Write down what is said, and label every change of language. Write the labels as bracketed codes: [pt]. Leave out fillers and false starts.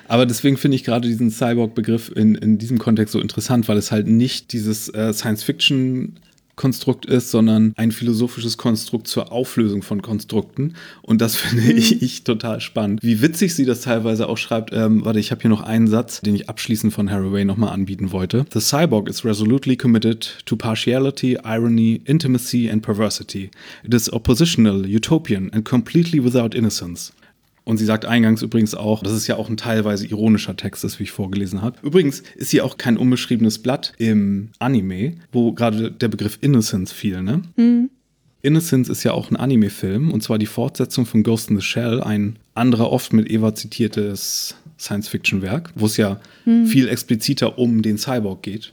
[de] Aber deswegen finde ich gerade diesen Cyborg-Begriff in diesem Kontext so interessant, weil es halt nicht dieses Science-Fiction-Konstrukt ist, sondern ein philosophisches Konstrukt zur Auflösung von Konstrukten. Und das finde ich total spannend. Wie witzig sie das teilweise auch schreibt. Warte, ich habe hier noch einen Satz, den ich abschließend von Haraway nochmal anbieten wollte. [en] The cyborg is resolutely committed to partiality, irony, intimacy and perversity. It is oppositional, utopian and completely without innocence. [de] Und sie sagt eingangs übrigens auch, dass es ja auch ein teilweise ironischer Text ist, wie ich vorgelesen habe. Übrigens ist sie auch kein unbeschriebenes Blatt im Anime, wo gerade der Begriff Innocence fiel, ne? Innocence ist ja auch ein Anime-Film und zwar die Fortsetzung von Ghost in the Shell, ein anderer oft mit Eva zitiertes Science-Fiction-Werk, wo es ja viel expliziter um den Cyborg geht.